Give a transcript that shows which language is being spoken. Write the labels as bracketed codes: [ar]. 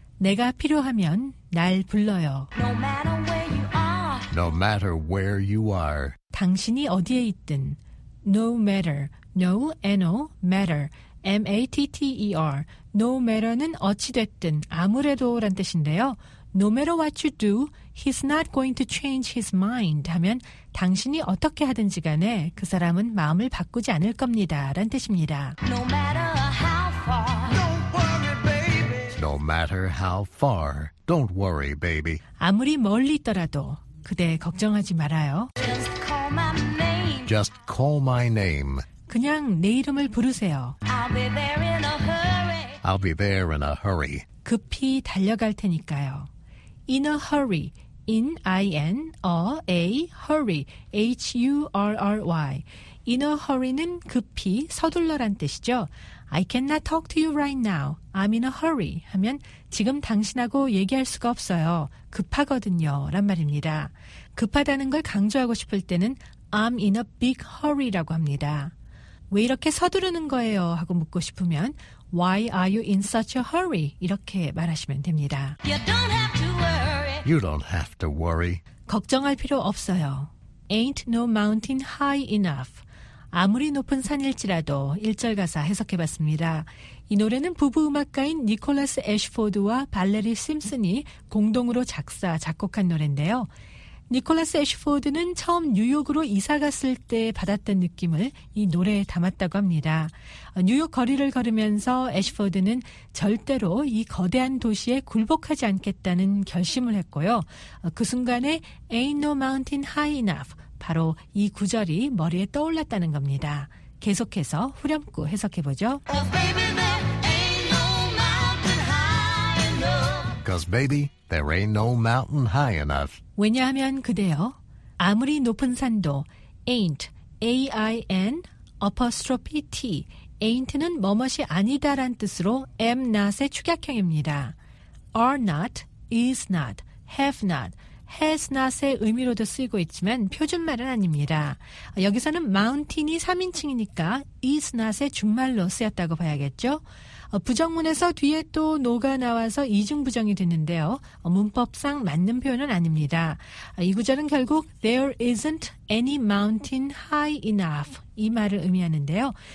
[ko] 내가 필요하면 날 불러요. [en] No matter where you are. No matter where you are. [ko] 당신이 어디에 있든. [en] No matter. No, N-O, matter. M-A-T-T-E-R. [ko] No matter는 어찌됐든, 아무래도란 뜻인데요. [en] No matter what you do, he's not going to change his mind [ko] 하면 당신이 어떻게 하든지 간에 그 사람은 마음을 바꾸지 않을 겁니다. 라는 뜻입니다. [en] No matter how far, don't worry, baby. No matter how far, don't worry, baby. [ko] 아무리 멀리 있더라도 그대 걱정하지 말아요. [en] Just call my name. Just call my name. [ko] 그냥 내 이름을 부르세요. [en] I'll be there in a hurry. I'll be there in a hurry. [ko] 급히 달려갈 테니까요. In a hurry. [en] In, I-N, a, a, hurry. H-U-R-R-Y. [ko] In a hurry는 급히, 서둘러란 뜻이죠. [en] I cannot talk to you right now. I'm in a hurry. [ko] 하면 지금 당신하고 얘기할 수가 없어요. 급하거든요. 란 말입니다. 급하다는 걸 강조하고 싶을 때는 [en] I'm in a big hurry [ko] 라고 합니다. 왜 이렇게 서두르는 거예요? 하고 묻고 싶으면 [en] Why are you in such a hurry? [ko] 이렇게 말하시면 됩니다. [en] You don't have to worry. You don't have to worry. [ko] 걱정할 필요 없어요. [en] Ain't no mountain high enough. [ko] 아무리 높은 산일지라도 1절 가사 해석해봤습니다. 이 노래는 부부 음악가인 니콜라스 애쉬포드와 발레리 심슨이 공동으로 작사, 작곡한 노래인데요. 니콜라스 애쉬포드는 처음 뉴욕으로 이사 갔을 때 받았던 느낌을 이 노래에 담았다고 합니다. 뉴욕 거리를 걸으면서 애쉬포드는 절대로 이 거대한 도시에 굴복하지 않겠다는 결심을 했고요. 그 순간에 [en] Ain't no mountain high enough, [ko] 바로 이 구절이 머리에 떠올랐다는 겁니다. 계속해서 후렴구 해석해보죠. [en] Cause baby, there ain't no mountain high enough. Cause baby, there ain't no mountain high enough. [ko] 왜냐하면 그대여, 아무리 높은 산도 ain't, A-I-N, apostrophe T, ain't는 뭐뭇이 아니다란 뜻으로 am not의 축약형입니다. are not, is not, have not, has not의 의미로도 쓰이고 있지만 표준말은 아닙니다. 여기서는 mountain이 3인칭이니까 is not의 준말로 쓰였다고 봐야겠죠. 부정문에서 뒤에 또 no가 나와서 이중부정이 됐는데요. 문법상 맞는 표현은 아닙니다. 이 구절은 결국 [en] there isn't any mountain high enough [ko] 이 말을 의미하는데요.